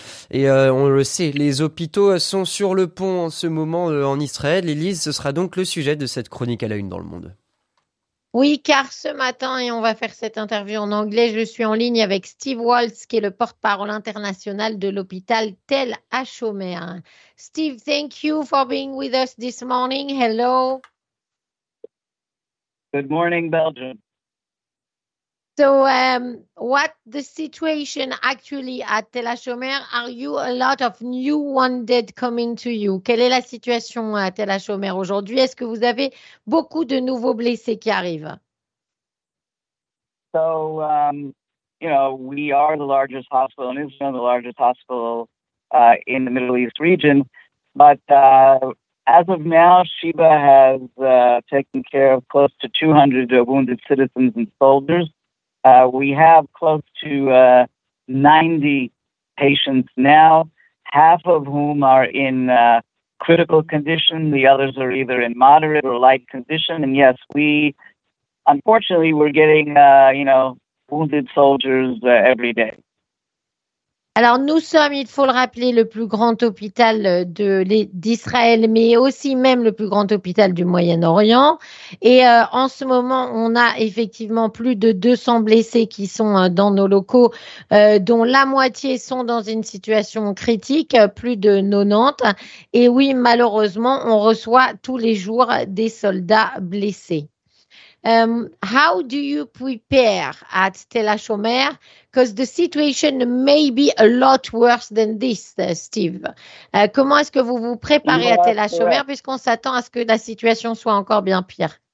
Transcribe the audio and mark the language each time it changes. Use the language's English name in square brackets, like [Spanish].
[French] Et on le sait, les hôpitaux sont sur le pont en ce moment en Israël. Élise, ce sera donc le sujet de cette chronique à la une dans le monde. Oui, car ce matin, et on va faire cette interview en anglais, je suis en ligne avec Steve Waltz, qui est le porte-parole international de l'hôpital Tel HaShomer. [English] Steve, thank you for being with us this morning. Hello. Good morning, Belgium. So, what the situation actually at Tel HaShomer? Are you a lot of new wounded coming to you? [French] Quelle est la situation à Tel HaShomer aujourd'hui? Est-ce que vous avez beaucoup de nouveaux blessés qui arrivent? [English] So, we are the largest hospital in Israel, the largest hospital in the Middle East region. But as of now, Sheba has taken care of close to 200 wounded citizens and soldiers. We have close to 90 patients now, half of whom are in critical condition. The others are either in moderate or light condition. And yes, we're getting, wounded soldiers every day. [French] Alors, nous sommes, il faut le rappeler, le plus grand hôpital d'Israël, mais aussi même le plus grand hôpital du Moyen-Orient. Et en ce moment, on a effectivement plus de 200 blessés qui sont dans nos locaux, dont la moitié sont dans une situation critique, plus de 90. Et oui, malheureusement, on reçoit tous les jours des soldats blessés. [English] How do you prepare at Tel HaShomer? Because the situation may be a lot worse than this, Steve. [French] Comment est-ce que vous vous préparez à Tel HaShomer puisqu'on s'attend à ce que la situation soit encore bien pire?